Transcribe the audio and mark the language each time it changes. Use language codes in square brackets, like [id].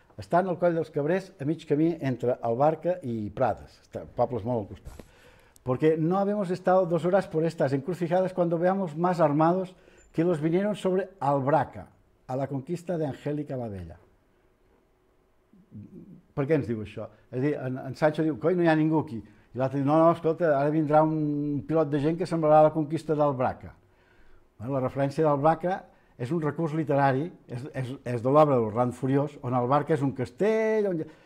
[ca] Estan al Coll dels Cabrers a mig camí entre Albarca i Prades, pobles molt al costat. [es] Porque no habemos estado dos horas por estas encrucijadas cuando veamos más armados que los vinieron sobre Albraca, a la conquista de Angélica la Bella. [ca] Per què ens diu això? És a dir, en Sancho diu, coi, no hi ha ningú aquí. I l'altre diu, no, escolta, ara vindrà un pilot de gent que semblarà la conquista d'Albraca. Bueno, la referència d'Albraca és un recurs literari, és de l'obra del Rand Furiós, on Albarca és un castell, on...